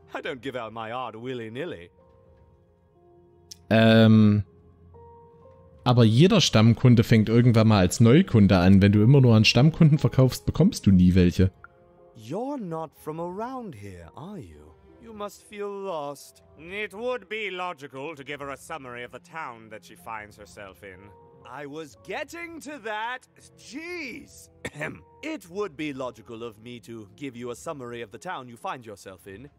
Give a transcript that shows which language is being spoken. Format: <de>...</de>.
<en>I don't give out my art willy-nilly.</en> <de>Aber jeder Stammkunde fängt irgendwann mal als Neukunde an. Wenn du immer nur an Stammkunden verkaufst, bekommst du nie welche.</de> <en>You're not from around here, are you? You must feel lost. It would be logical to give her a summary of the town that she finds herself in. I was getting to that. Jeez. It would be logical of me to give you a summary of the town you find yourself in.</en>